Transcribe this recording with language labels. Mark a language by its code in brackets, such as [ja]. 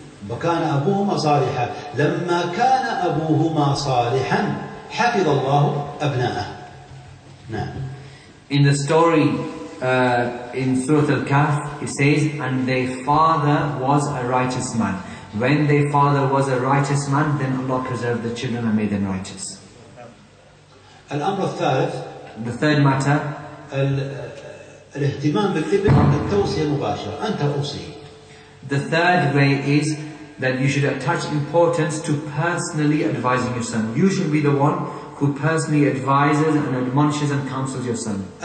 [ar] وكان أبوهما صالحا لما كان أبوهما صالحا حفظ الله أبناءه. [en] In the story in Surah Al-Kahf, it says, and their father was a righteous man. When their father was a righteous man, then Allah preserved the children and made them righteous. [ar] الأمر الثالث. [en] The third matter. [ar] الاهتمام بالابن التوصية مباشرة. أنت أوصي. [en] The third way is that you should attach importance to personally advising your son. You should be the one who personally advises and admonishes and counsels your son.